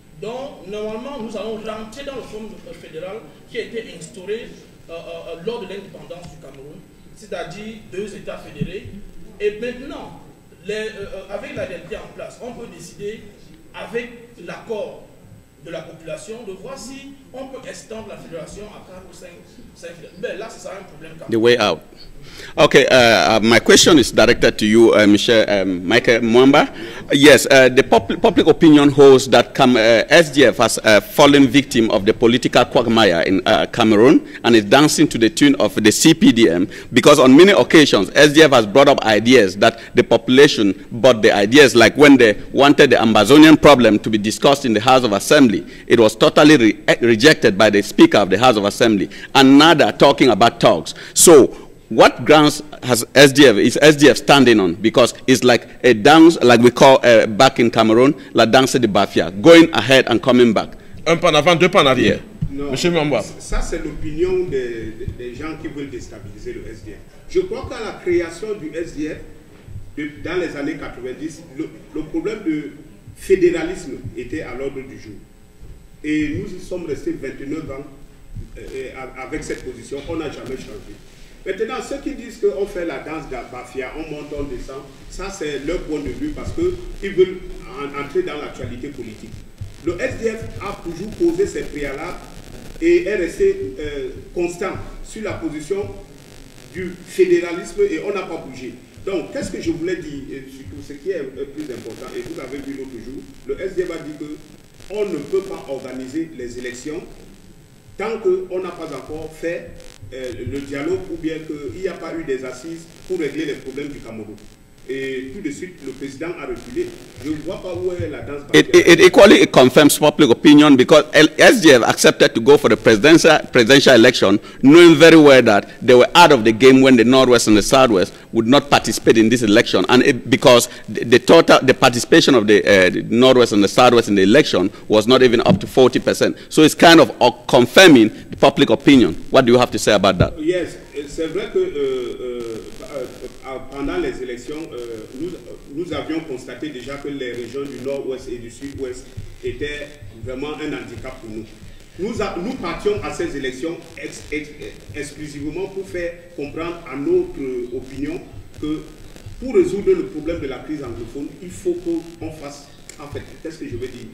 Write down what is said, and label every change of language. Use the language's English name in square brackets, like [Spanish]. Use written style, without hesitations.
[French] Donc, normalement, nous allons rentrer dans le fond fédéral qui a été instauré lors de l'indépendance du Cameroun, c'est-à-dire deux États fédérés. Et maintenant, avec la réalité en place, on peut décider avec l'accord de la population, de voir si on peut extendre la fédération à 4 ou 5. Mais là, ce sera un problème. [English] The way out. Okay, my question is directed to you, Michel Michael Mwamba. Yes, the public opinion holds that SDF has fallen victim of the political quagmire in Cameroon and is dancing to the tune of the CPDM, because on many occasions SDF has brought up ideas that the population bought the ideas, like when they wanted the Amazonian problem to be discussed in the House of Assembly. It was totally rejected by the Speaker of the House of Assembly, and now they're talking about talks. So, what grounds has SDF, is SDF standing on? Because it's like a dance, like we call back in Cameroon, la danse de Bafia, going ahead and coming back. [French] Un pas en avant, deux pas en arrière. Non, monsieur Mamba. Ça c'est l'opinion des gens qui veulent déstabiliser le SDF. Je crois qu'à la création du SDF, dans les années 90, le problème de fédéralisme était à l'ordre du jour. Et nous y sommes restés 29 ans avec cette position, on n'a jamais changé. Maintenant, ceux qui disent qu'on fait la danse de Bafia, on monte, on descend, ça c'est leur point de vue parce qu'ils veulent entrer dans l'actualité politique. Le SDF a toujours posé ses préalables et est resté constant sur la position du fédéralisme et on n'a pas bougé. Donc, qu'est-ce que je voulais dire, surtout ce qui est le plus important, et vous l'avez vu l'autre jour, le SDF a dit qu'on ne peut pas organiser les élections tant qu'on n'a pas encore fait le dialogue ou bien qu'il n'y a pas eu des assises pour régler les problèmes du Cameroun. Et tout de suite, le président a reculé. Je ne vois pas où est la danse. [English] It equally confirms public opinion because SDF accepted to go for the presidential election, knowing very well that they were out of the game when the Northwest and the Southwest would not participate in this election. And it, because the participation of the Northwest and the Southwest in the election was not even up to 40%. So it's kind of confirming the public opinion. What do you have to say about that? [French] Yes, c'est vrai que. Pendant les élections, nous avions constaté déjà que les régions du Nord-Ouest et du Sud-Ouest étaient vraiment un handicap pour nous. Nous partions à ces élections exclusivement pour faire comprendre à notre opinion que pour résoudre le problème de la crise anglophone, il faut qu'on fasse, en fait, qu'est-ce que je veux dire?